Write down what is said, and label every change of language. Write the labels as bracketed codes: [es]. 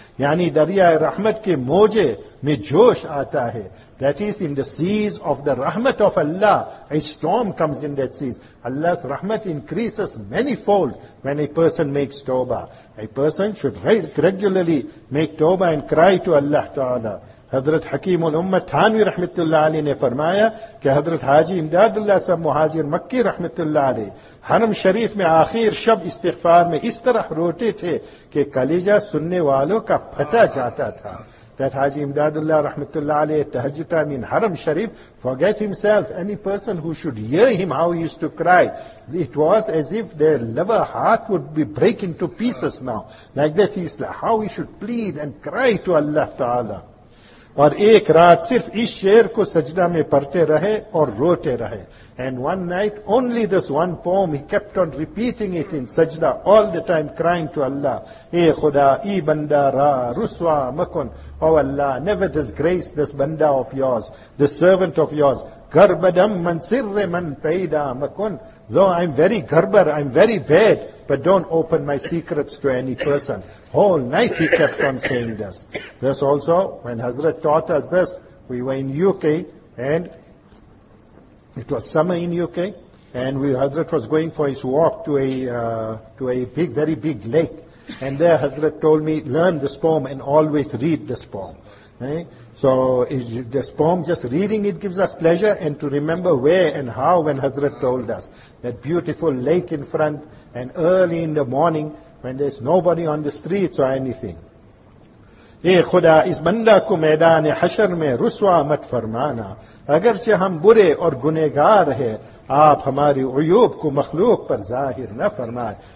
[ur] Yani darya-e rahmat ke moje mein josh aata hai. [en] That is, in the seas of the rahmat of Allah, a storm comes in that seas. Allah's rahmat increases manifold when a person makes tawbah. A person should regularly make tawbah and cry to Allah Ta'ala. [ur] حضرت حکیم الامت تھانوی رحمت اللہ علیہ نے فرمایا کہ حضرت حاجی امداد اللہ صاحب مہاجر مکی رحمت اللہ علیہ حرم شریف میں آخر شب استغفار میں اس طرح روتے تھے کہ کلیجہ سننے والوں کا پھٹا جاتا تھا. [en] That Haji Imdadullah rahmatullah alayhi tahajjata mean haram sharif, forget himself, any person who should hear him, how he used to cry. It was as if their lover heart would be breaking to pieces now. Like that he used to, how he should plead and cry to Allah Ta'ala. [ur] اور ایک رات صرف اس شعر کو سجدہ میں پڑھتے رہے اور روتے رہے. [en] And one night only this one poem, he kept on repeating it in sajda all the time, crying to Allah. [fa] اے خدا ای بندہ را رسوا مکن. [en] Oh Allah, never disgrace this banda of yours, this servant of yours. گربدم من سر من پیدا مکن. Though I'm very garbar, I'm very bad, but don't open my secrets to any person. Whole night he kept on saying this. This also, when Hazrat taught us this, we were in UK, and it was summer in UK, and Hazrat was going for his walk to a very big lake. And there Hazrat told me, learn this poem and always read this poem. So this poem, just reading it gives us pleasure, and to remember where and how when Hazrat told us. That beautiful lake in front, and early in the morning, when there's nobody on the streets or anything. [ur] اے خدا اس بندہ کو میدان حشر میں رسوا مت فرمانا. اگرچہ ہم برے اور گنہگار ہیں, آپ ہماری عیوب کو مخلوق پر ظاہر نہ فرمائے.